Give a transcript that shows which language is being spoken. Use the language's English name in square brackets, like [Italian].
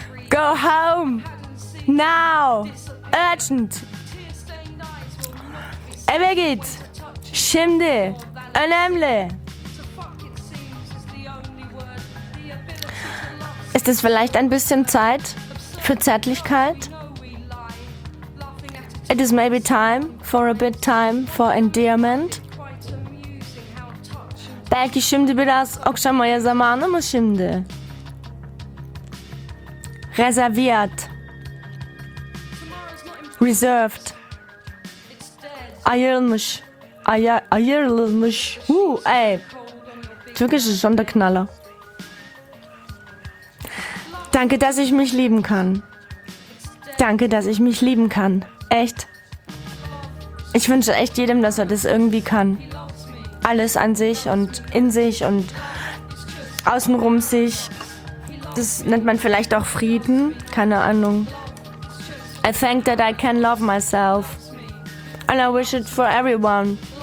[English] Go home! Now! Urgent! [Turkish] Ebegit! Şimdi! Önemli! [German] Ist es vielleicht ein bisschen Zeit für Zärtlichkeit? [English] It is maybe time for a bit time for endearment. [Turkish] Belki şimdi biraz okşamaya zamanı mı şimdi? [German] Reserviert. [English] Reserved. [Turkish] Ayrılmış. Ayrılmış. Ey. [German] Türkisch ist schon der Knaller. Danke, dass ich mich lieben kann. Danke, dass ich mich lieben kann. Echt. Ich wünsche echt jedem, dass er das irgendwie kann. Alles an sich und in sich und außenrum sich. Das nennt man vielleicht auch Frieden. Keine Ahnung. [English] I think that I can love myself. And I wish it for everyone.